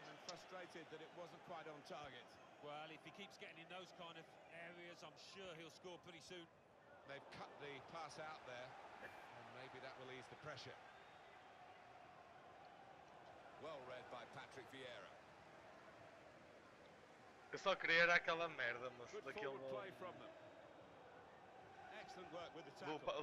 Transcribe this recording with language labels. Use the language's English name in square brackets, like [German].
[English] Frustrated that it wasn't quite on target. Well, if he keeps getting in those kind of areas, I'm sure he'll score pretty soon. They've cut the pass out there, and maybe that will ease the pressure. Well read by Patrick Vieira. [Portuguese] Eu só queria aquela merda, mas daquele [English] do excellent work with the tackle.